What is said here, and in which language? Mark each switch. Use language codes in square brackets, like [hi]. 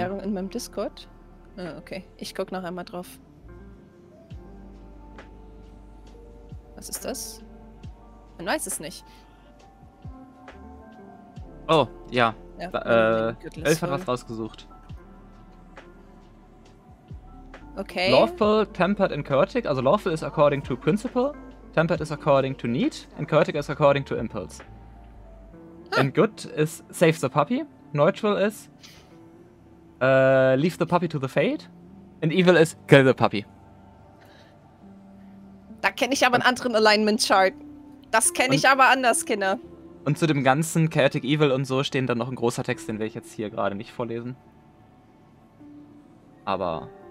[de] Erklärung in meinem Discord? Ah, okay. Ich guck noch einmal drauf. Was ist das? Man weiß es nicht. Oh, ja. Elf hat was rausgesucht. Okay. [en] Lawful, Tempered and Chaotic. Also Lawful is according to Principle. Tempered is according to Need. And Chaotic is according to Impulse. Huh. And Good is Save the Puppy. Neutral is Leave the Puppy to the Fate. And Evil is Kill the Puppy. [de] Da kenne ich aber einen anderen Alignment Chart. Das kenne ich aber anders, Kinder. Und zu dem ganzen Chaotic Evil und so stehen dann noch ein großer Text, den will ich jetzt hier gerade nicht vorlesen. Aber